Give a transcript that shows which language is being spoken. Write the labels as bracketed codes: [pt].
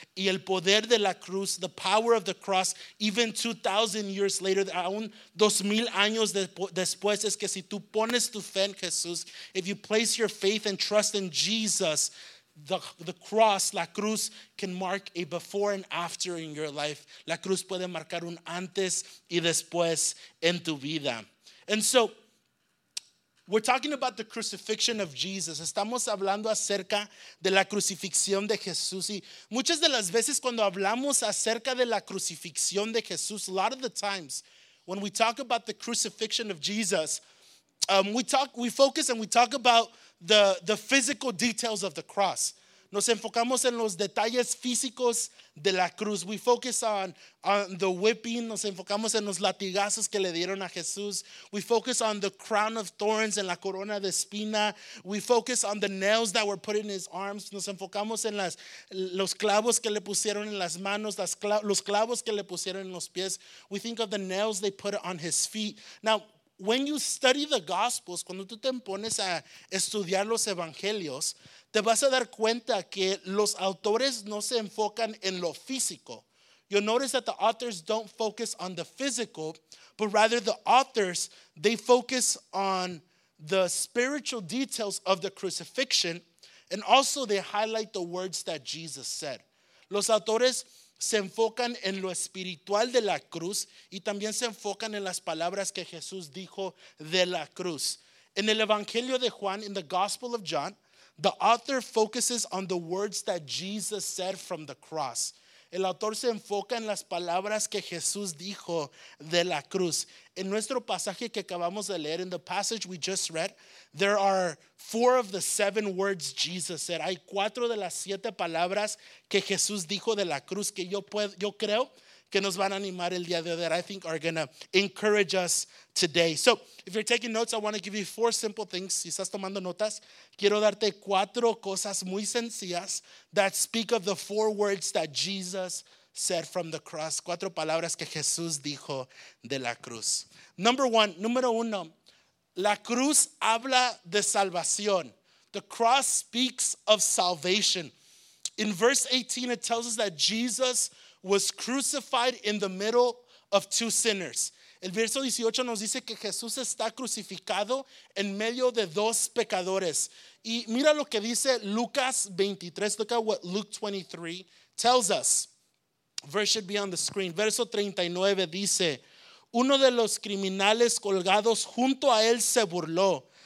[es] Y el poder de la cruz, [en] the power of the cross, even 2,000 years later, [es] aún 2,000 años después, es que si tú pones tu fe en Jesús, [en] if you place your faith and trust in Jesus, the cross, [es] la cruz, [en] can mark a before and after in your life. [es] La cruz puede marcar un antes y después en tu vida. [en] And so, we're talking about the crucifixion of Jesus. [es] Estamos hablando acerca de la crucifixión de Jesús. Y muchas de las veces cuando hablamos acerca de la crucifixión de Jesús, [en] a lot of the times, when we talk about the crucifixion of Jesus, we focus and talk about the physical details of the cross. [es] Nos enfocamos en los detalles físicos de la cruz. [en] We focus on the whipping. [es] Nos enfocamos en los latigazos que le dieron a Jesús. [en] We focus on the crown of thorns and [es] la corona de espina. [en] We focus on the nails that were put in his arms. [es] Nos enfocamos en los clavos que le pusieron en las manos, los clavos que le pusieron en los pies. [en] We think of the nails they put on his feet. Now, when you study the Gospels, [es] cuando tú te pones a estudiar los Evangelios, te vas a dar cuenta que los autores no se enfocan en lo físico. [en] You'll notice that the authors don't focus on the physical, but rather the authors, they focus on the spiritual details of the crucifixion, and also they highlight the words that Jesus said. [es] Los autores se enfocan en lo espiritual de la cruz y también se enfocan en las palabras que Jesús dijo de la cruz. En el Evangelio de Juan, [en] in the Gospel of John, the author focuses on the words that Jesus said from the cross. [es] El autor se enfoca en las palabras que Jesús dijo de la cruz. En nuestro pasaje que acabamos de leer, [en] in the passage we just read, there are 4 of the 7 words Jesus said. [es] Hay 4 de las 7 palabras que Jesús dijo de la cruz que yo creo que nos van a animar el día de hoy, [en] that I think are going to encourage us today. So, if you're taking notes, I want to give you 4 simple things. [es] Si estás tomando notas, quiero darte 4 cosas muy sencillas [en] that speak of the 4 words that Jesus said from the cross. [es] 4 palabras que Jesús dijo de la cruz. Número uno, la cruz habla de salvación. [en] The cross speaks of salvation. In verse 18, it tells us that Jesus was crucified in the middle of 2 sinners. [es] El verso 18 nos dice que Jesús está crucificado en medio de 2 pecadores. Y mira lo que dice Lucas 23. [en] Look at what Luke 23 tells us. Verse should be on the screen. [es] Verso 39 dice: uno de los criminales colgados junto a él se burló.